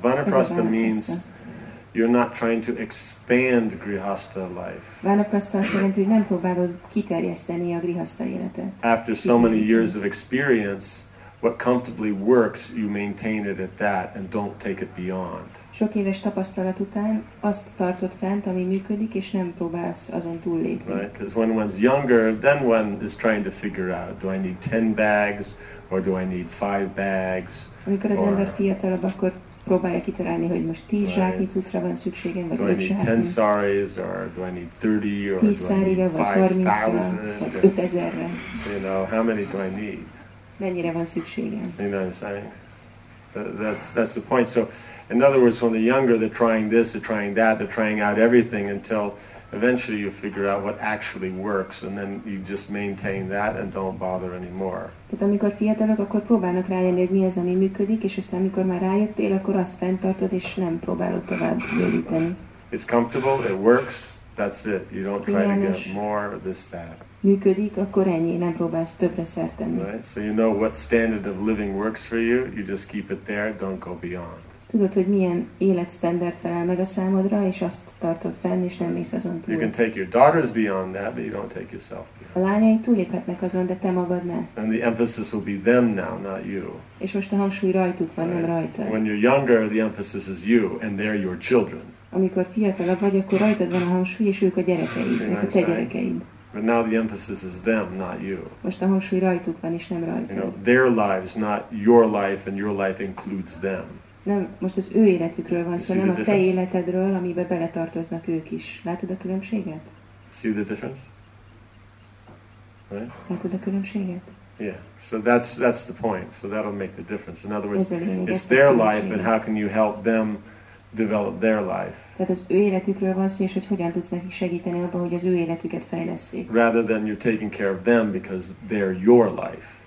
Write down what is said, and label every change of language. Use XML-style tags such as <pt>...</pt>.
<en>Vanaprasztha means you're not trying to expand grihastha life.</en> <hu>Vanaprasztha azt jelenti, hogy nem próbálod kiterjeszteni a grihastha életet.</hu> <en>After so many years of experience, what comfortably works, you maintain it at that and don't take it beyond.</en> <hu>Sok éves tapasztalat után azt tartod fent, ami működik, és nem próbálsz azon túllépni.</hu> <en>Right, because when one's younger, then one is trying to figure out, do I need 10 bags, or do I need 5 bags?</en> <hu>Amikor az ember fiatalabb, akkor próbálja kitalálni, hogy most 10 zsáknyi cuccra van szükségem, vagy 5 zsáknyi.</hu> <en>Do I need 10 saris, or do I need 30, or do I need 5,000?</en> <hu>5,000-re.</hu> <en>You know, how many do I need?</en> <hu>Mennyire van szükségem?</hu> <en>You know what I'm saying? That's the point. So, in other words, when the younger, they're trying this, they're trying that, they're trying out everything until eventually you figure out what actually works, and then you just maintain that and don't bother anymore.</en> <hu>Tehát amikor fiatalok, akkor próbálnak rájönni, hogy mi az, ami működik, és aztán amikor már rájöttél, akkor azt fenntartod, és nem próbálod tovább bővíteni.</hu> <en>It's comfortable, it works, that's it. You don't try to get more of this, that.</en> <hu>Működik, akkor ennyi, nem próbálsz többre szertenni.</hu> <en>Right? So you know what standard of living works for you, you just keep it there, don't go beyond.</en> <hu>Tudod, hogy milyen életsztenderd felel meg a számodra, és azt tartod fenn, és nem mész azon túl.</hu> <en>You can take your daughters beyond that, but you don't take yourself beyond.</en> <hu>A lányai túléphetnek azon, de te magad ne.</hu> <en>And the emphasis will be them now, not you.</en> <hu>És most a hangsúly rajtuk van, right? Nem rajta.</hu> <en>When you're younger, the emphasis is you, and they're your children.</en> <hu>Amikor fiatalabb vagy, akkor rajtad van a hangsúly, és ők a gyerekeid, ők a te gyerekeid.</hu> <en>But now the emphasis is them, not you.</en> <hu>Most a hangsúly rajtuk van, és nem rajtad.</hu> <en>You know, their lives, not your life, and your life includes them.</en> <hu>Nem, most az ő életükről van szó, nem a te életedről, amibe beletartoznak ők is. Látod a különbséget?</hu> <en>See the difference? Right?</en> <hu>Látod a különbséget?</hu> <en>Yeah, so that's the point. So that'll make the difference. In other words, it's their life, and how can you help them develop their life?</en> <hu>Tehát az ő életükről van szó, és hogy hogyan tudsz nekik segíteni abban, hogy az ő életüket fejlesszék.</hu> <en>Rather than you're taking care of them because they're your life.</en>